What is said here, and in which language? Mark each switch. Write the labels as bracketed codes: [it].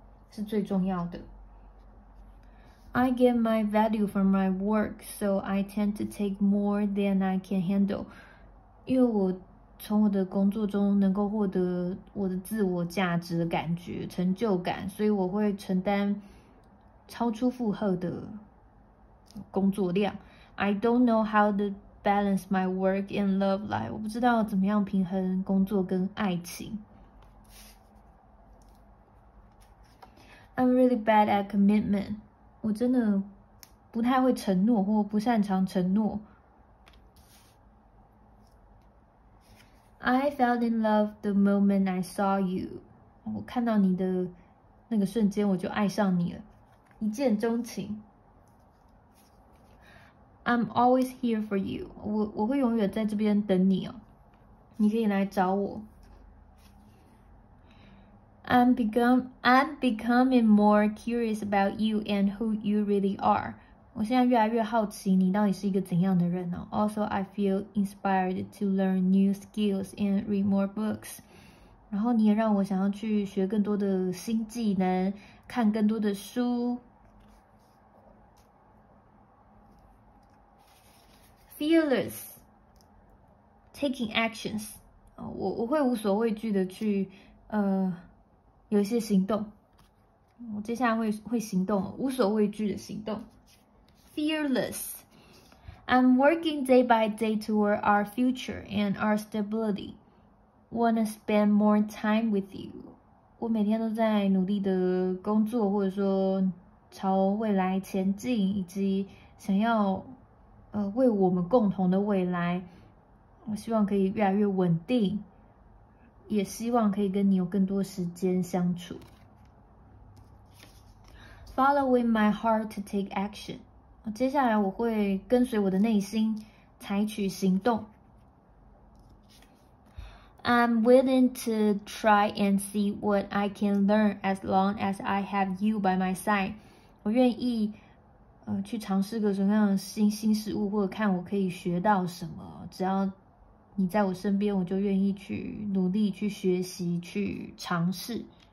[zh] 是最重要的。 [en] I get my value from my work, so I tend to take more than I can handle. [zh] 因为我从我的工作中能够获得我的自我价值的感觉、成就感，所以我会承担超出负荷的工作量。 [en] I don't know how to balance my work and love life. [zh] 我不知道怎么样平衡工作跟爱情。 [en] I'm really bad at commitment. [zh] 我真的不太会承诺或不擅长承诺。 [en] I fell in love the moment I saw you. [zh] 我看到你的那个瞬间我就爱上你了，一见钟情。 [en] I'm always here for you. [zh] 我会永远在这边等你哦，你可以来找我。 [en] I'm becoming more curious about you and who you really are. [zh] 我现在越来越好奇你到底是一个怎样的人呢、啊、？ [en] Also, I feel inspired to learn new skills and read more books. [zh] 然后你也让我想要去学更多的新技能，看更多的书。 [en] Fearless, taking actions. [zh] 我会无所畏惧的去有一些行动。我接下来会行动，无所畏惧的行动。 [en] Fearless. I'm working day by day toward our future and our stability. Wanna spend more time with you. [zh] 我每天都在努力的工作，或者说朝未来前进，以及想要为我们共同的未来，我希望可以越来越稳定，也希望可以跟你有更多时间相处。 [en] Following my heart to take action. [zh] 接下来我会跟随我的内心采取行动。 [en] I'm willing to try and see what I can learn as long as I have you by my side. [zh] 我愿意去尝试各种各样的新事物，或者看我可以学到什么。只要你在我身边，我就愿意去努力去学习去尝试。